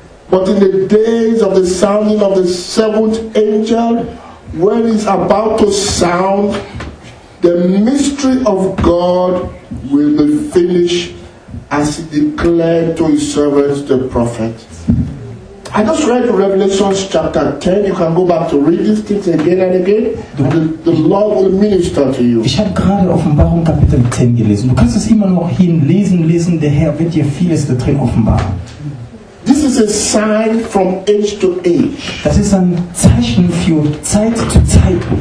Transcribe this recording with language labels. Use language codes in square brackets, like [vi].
[en] but in the days of the sounding of the seventh angel, when he's about to sound, the mystery of God will be finished, as he declared to his servants the prophet. I just read Revelation chapter 10. You can go back to read these things again and again. The Lord will minister to you. [de] Ich habe gerade Offenbarung Kapitel 10 gelesen. Du kannst es immer noch hinlesen. Der Herr wird dir vieles da drin offenbaren. [en] This is a sign from age to age. [de] Das ist ein Zeichen für Zeit zu Zeit.